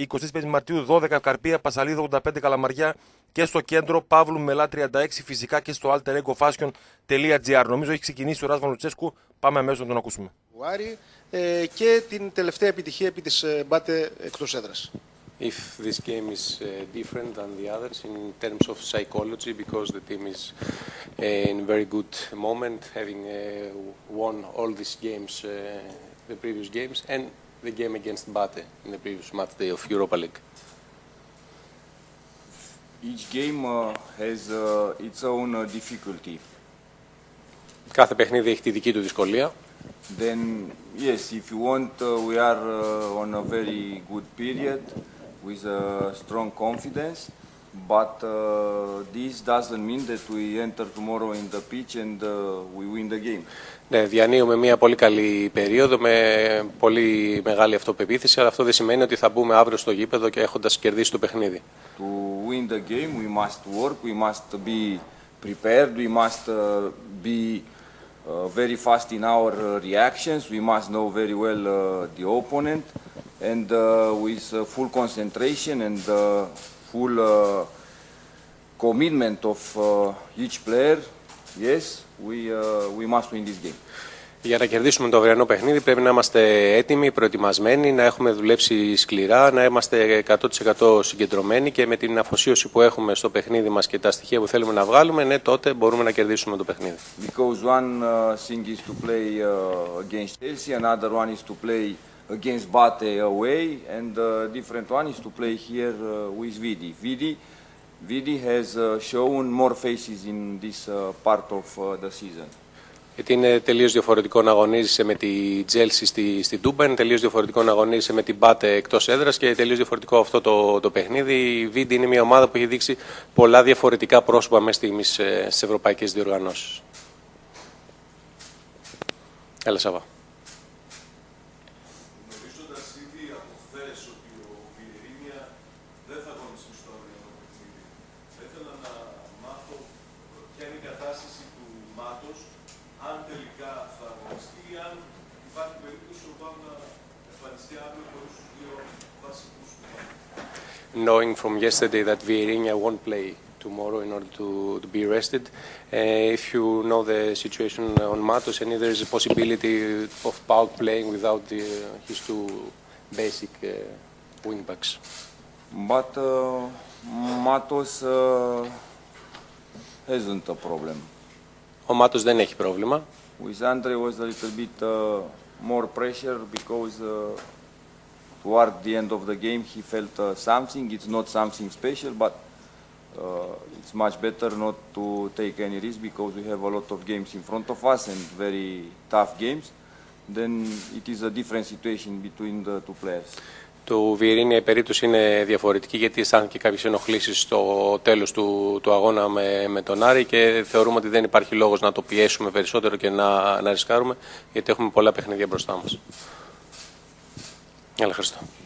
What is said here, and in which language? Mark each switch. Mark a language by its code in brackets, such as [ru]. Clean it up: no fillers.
[el] 25 Μαρτίου, 12 Ευκαρπία, Πασαλίδο 85 Καλαμαριά και στο κέντρο Παύλου Μελά 36, φυσικά και στο alterego-fashion.gr. Νομίζω έχει ξεκινήσει ο Ράσβαν Λουτσέσκου. Πάμε αμέσως να τον ακούσουμε. Και την τελευταία επιτυχία επί της μπάτε εκτός έδρας. [en] If this game is different than the others in terms of psychology, because the team is in a very good moment, having won all these games, the previous games, and the game against Bate in the previous match day of Europa League. Each game has its own difficulty. [el] Κάθε παιχνίδι έχει τη δική του δυσκολία. [en] Then, yes, if you want, we are on a very good period. With a strong confidence, but this doesn't mean that we enter tomorrow in the pitch and we win the game. [el] Ναι, διανύουμε μια πολύ καλή περίοδο με πολύ μεγάλη αυτοπεποίθηση, αλλά αυτό δεν σημαίνει ότι θα μπούμε αύριο στο γήπεδο και έχοντας κερδίσει το παιχνίδι. [en] To win the game, we must work, we must be prepared, we must be very fast in our reactions, we must know very well the opponent. And with full concentration and full commitment of each player, yes, we must win this game. [el] Για να κερδίσουμε το αυριανό παιχνίδι πρέπει να είμαστε έτοιμοι, προετοιμασμένοι, να έχουμε δουλέψει σκληρά, να είμαστε 100% συγκεντρωμένοι και με την αφοσίωση που έχουμε στο παιχνίδι μας και τα στοιχεία που θέλουμε να βγάλουμε, ναι, τότε μπορούμε να κερδίσουμε το παιχνίδι. [en] Because one thing is to play against Chelsea, another one is to play against Bate away, and a different one is to play here with Vidi. Vidi has shown more faces in this part of the season. [el] Γιατί είναι τελείως διαφορετικό να αγωνίζεσαι με τη Τζέλσι στην Τούμπα, είναι τελείως διαφορετικό να αγωνίζεσαι με την Μπάτε εκτός έδρας και τελείως διαφορετικό αυτό το παιχνίδι. Η Βίντι είναι μια ομάδα που έχει δείξει πολλά διαφορετικά πρόσωπα μέσα στις ευρωπαϊκές διοργανώσεις. Έλα, Σάβα. Θα αγωνιστεί στο αυριανό παιχνίδι. Θα ήθελα να μάθω ποια είναι η κατάσταση του ματός, αν τελικά θα αγωνιστεί, αν υπάρχει περίπτωση ο ΠΑΟΚ να εμφανιστεί αύριο χωρίς τους δύο βασικούς του ΠΑΟΚ. [en] Knowing from yesterday that Vieirinha won't play tomorrow in order to be rested, if you know the situation on Matos and if there is a possibility of Pauk playing without his two basic wing backs. But Matos hasn't a problem. [el] Ο Matos δεν έχει πρόβλημα. [en] With Andre was a little bit more pressure because toward the end of the game he felt something. It's not something special, but it's much better not to take any risk because we have a lot of games in front of us and very tough games. Then it is a different situation between the two players. [el] Το Βιερίνια η περίπτωση είναι διαφορετική γιατί αισθάνθηκε και κάποιες ενοχλήσεις στο τέλος του αγώνα με τον Άρη και θεωρούμε ότι δεν υπάρχει λόγος να το πιέσουμε περισσότερο και να ρισκάρουμε γιατί έχουμε πολλά παιχνίδια μπροστά μας. Έλα, Χριστό.